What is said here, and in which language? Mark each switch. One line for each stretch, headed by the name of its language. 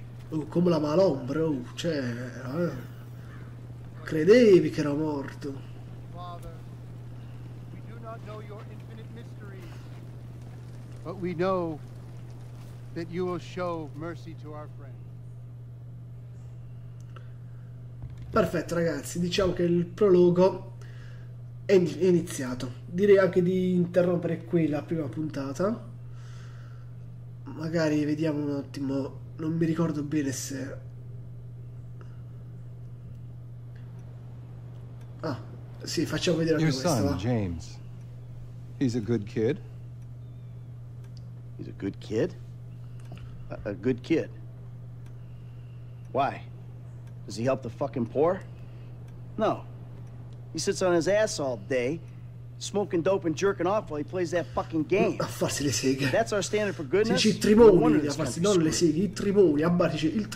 Italian: Oh, come la malombra, cioè, credevi che ero morto.
English: Father, we do not know your infinite mysteries, but we know that you will show mercy to our friend.
Italian: Perfetto, ragazzi, diciamo che il prologo è iniziato. Direi anche di interrompere qui la prima puntata. Magari vediamo un attimo, non mi ricordo bene se... Ah, sì, facciamo vedere anche questa.
English: Your son, James. He's a good kid. He's a good kid? A good kid. Why? Does he help the fucking poor? No. He sits on his ass all day, smoking dope and jerking off while he plays that fucking game.
Italian: A farsi le seghe.
English: That's our standard for goodness.
Italian: Dice i trimoni, non le seghe, i trimoni, a barice, il trimone.